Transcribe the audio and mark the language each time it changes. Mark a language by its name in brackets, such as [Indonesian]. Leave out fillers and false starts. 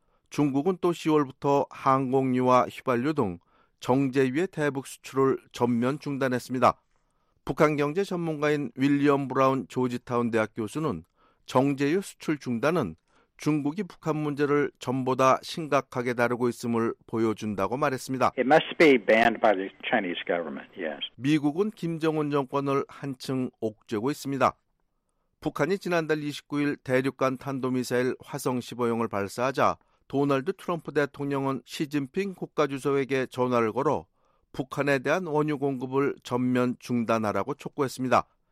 [Korean] 중국은 또 10월부터 항공유와 휘발유 등 정제유의 대북 수출을 전면 중단했습니다. 북한 경제 전문가인 윌리엄 브라운 조지타운 대학 교수는 정제유 수출 중단은 중국이 북한 문제를 전보다 심각하게 다루고 있음을 보여준다고 말했습니다. [English] It must be banned by the Chinese government. Yes. [Korean] 미국은 김정은 정권을 한층 옥죄고 있습니다. 북한이 지난달 29일 대륙간 탄도미사일 화성 15형을 발사하자 도널드 트럼프 대통령은 시진핑 국가주석에게 전화를 걸어 북한에 대한 원유 공급을 전면 중단하라고 촉구했습니다.